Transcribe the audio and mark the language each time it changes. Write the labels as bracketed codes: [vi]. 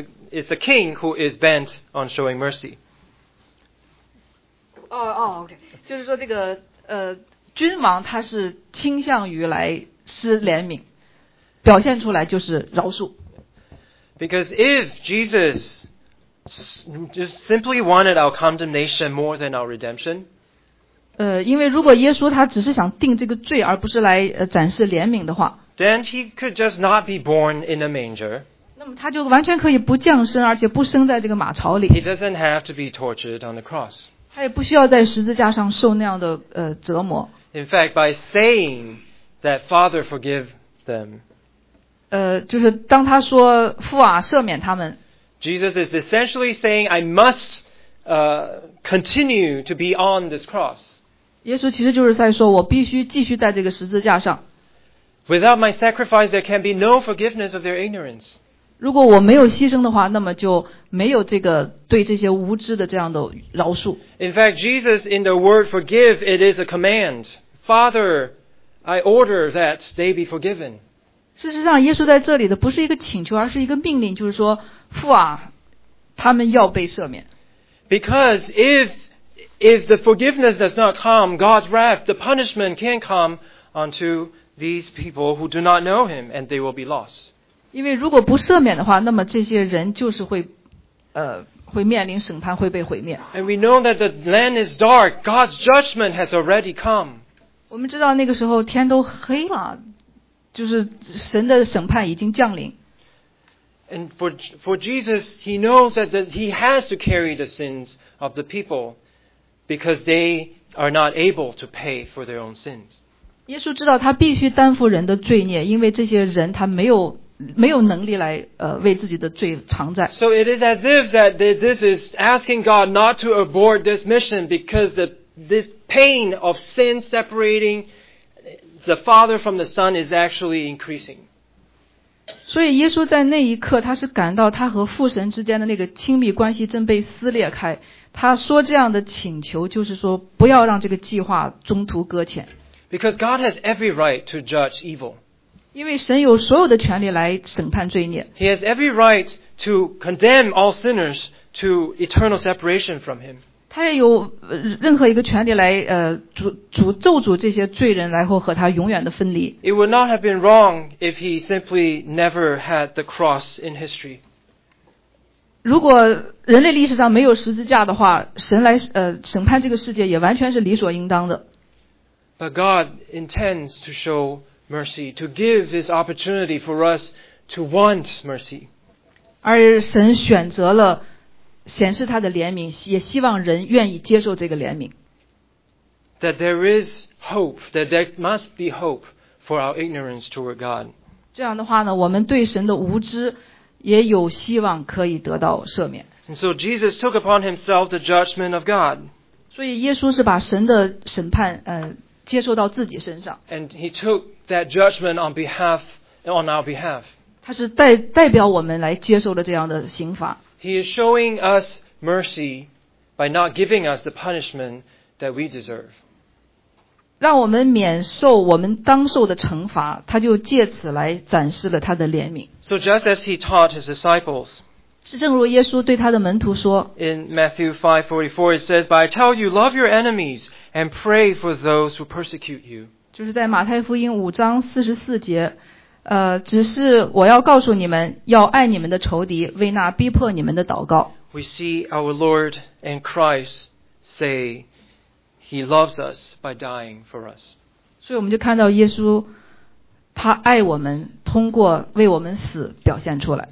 [en] It's the king who is bent on showing mercy. Okay. [zh] 就是说这个君王他是倾向于来施怜悯，表现出来就是饶恕。 [en] Because if Jesus just simply wanted our condemnation more than our redemption. [zh] 因为如果耶稣他只是想定这个罪，而不是来展示怜悯的话， [en] then he could just not be born in a manger. [zh] 那么他就完全可以不降生，而且不生在这个马槽里。 [en] He doesn't have to be tortured on the cross. [zh] 他也不需要在十字架上受那样的折磨。 [en] In fact, by saying that Father forgive them, [zh] 就是当他说父啊赦免他们， [en] Jesus is essentially saying I must continue to be on this cross. [zh] 耶稣其实就是在说，我必须继续在这个十字架上。 [en] Without my sacrifice, there can be no forgiveness of their ignorance. [zh] 如果我没有牺牲的话，那么就没有这个对这些无知的这样的饶恕。 [en] In fact, Jesus, in the word forgive, it is a command. Father, I order that they be forgiven. [zh] 事实上，耶稣在这里的不是一个请求，而是一个命令，就是说，父啊，他们要被赦免。 [en] Because if the forgiveness does not come, God's wrath, the punishment can come onto these people who do not know him, and they will be lost. [zh] 因为如果不赦免的话，那么这些人就是会面临审判，会被毁灭。 [en] And we know that the land is dark. God's judgment has already come. [zh] 我们知道那个时候天都黑了，就是神的审判已经降临。 [en] And for Jesus, he knows that he has to carry the sins of the people because they are not able to pay for their own sins. [zh] 耶稣知道他必须担负人的罪孽，因为这些人他没有能力来为自己的罪偿债。 [en] So it is as if that this is asking God not to abort this mission because this pain of sin separating the Father from the Son is actually increasing. [zh] 所以耶稣在那一刻他是感到他和父神之间的那个亲密关系正被撕裂开，他说这样的请求就是说不要让这个计划中途搁浅。 [en] Because God has every right to judge evil. [zh] 因为神有所有的权利来审判罪孽。 [en] He has every right to condemn all sinners to eternal separation from him. [zh] 他也有任何一个权利来咒诅这些罪人，然后和他永远的分离。 [en] It would not have been wrong if he simply never had the cross in history. [zh] 如果人类历史上没有十字架的话，神来审判这个世界也完全是理所应当的。 [en] But God intends to show mercy, to give this opportunity for us to want mercy. [zh] 而神选择了显示他的怜悯，也希望人愿意接受这个怜悯。 [en] That there is hope, that there must be hope for our ignorance toward God. [zh] 这样的话呢，我们对神的无知也有希望可以得到赦免。 [en] And so Jesus took upon himself the judgment of God. [zh] 所以耶稣是把神的审判接受到自己身上。 [en] And he took that judgment on our behalf. [zh] 他是代表我们来接受了这样的刑罚。 [en] He is showing us mercy by not giving us the punishment that we deserve. [zh] 让我们免受我们当受的惩罚，他就借此来展示了他的怜悯。 [en] So just as he taught his disciples, [zh] 正如耶稣对他的门徒说， [en] in Matthew 5:44 it says, But I tell you, love your enemies,And pray for those who persecute you. [zh] 就是在马太福音五章四十四节，只是我要告诉你们，要爱你们的仇敌，为那逼迫你们的祷告。 [en] We see our Lord and Christ say He loves us by dying for us. [zh] 所以我们就看到耶稣，他爱我们，通过为我们死表现出来。